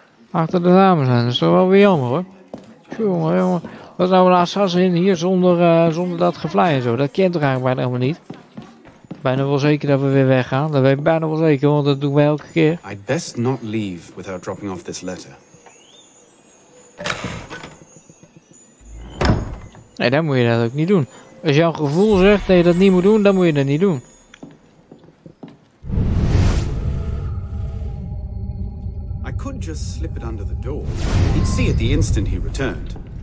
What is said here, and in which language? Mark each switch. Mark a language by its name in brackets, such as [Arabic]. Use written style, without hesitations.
[Dutch] Achter de dames zijn, dat is toch wel weer jammer hoor. Jongen, jongen. Wat is nou een assassin hier zonder dat gevlei en zo? Dat kent toch eigenlijk bijna helemaal niet. Bijna wel zeker dat we weer weggaan. Dat weet ik bijna wel zeker, want dat doen we elke keer. [English] I'd best not leave without dropping off this letter. [Dutch] Nee, dan moet je dat ook niet doen. Als jouw gevoel zegt dat je dat niet moet doen, dan moet je dat niet doen. [English] Just slip it under the door. He'd see it the instant he returned.